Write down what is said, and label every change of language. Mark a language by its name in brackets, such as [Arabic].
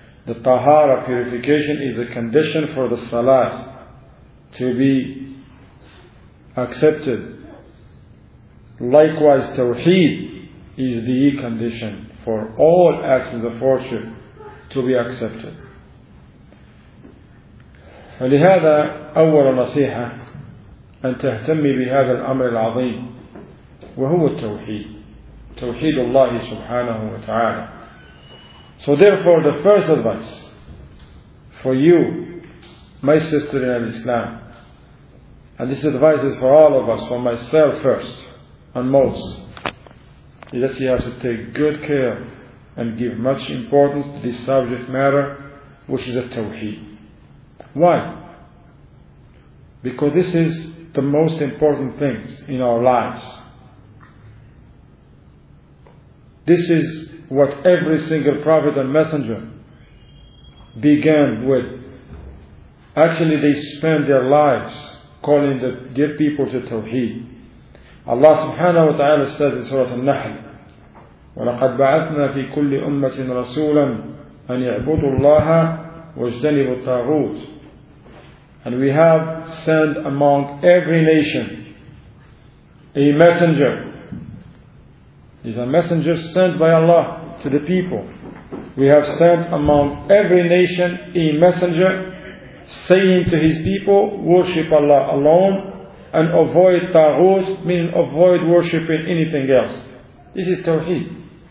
[English] The tahara, purification, is a condition for the salat to be accepted. Likewise, Tawheed is the condition for all actions of worship to be accepted. [Arabic] فلهذا أول نصيحة أن تهتمي بهذا الأمر العظيم وهو التوحيد, توحيد الله سبحانه وتعالى. [English] So therefore the first advice for you, my sister in Islam, and this advice is for all of us, for myself first and most, is that you have to take good care and give much importance to this subject matter, which is the Tawheed. Why? Because this is the most important things in our lives. This is what every single prophet and messenger began with. Actually, they spent their lives calling the dear people to Tawheed. Allah subhanahu wa ta'ala says in Surah An-Nahl, [Arabic] وَلَقَدْ بَعَثْنَا فِي كُلِّ أُمَّةٍ رَسُولًا أَنْ يَعْبُدُوا اللَّهَ وَاجْتَنِبُوا الطَّاغُوتِ. [English] And we have sent among every nation a messenger. These are messengers sent by Allah to the people. We have sent among every nation a messenger saying to his people, worship Allah alone and avoid ta'ghut, meaning avoid worshipping anything else. This is Tawheed.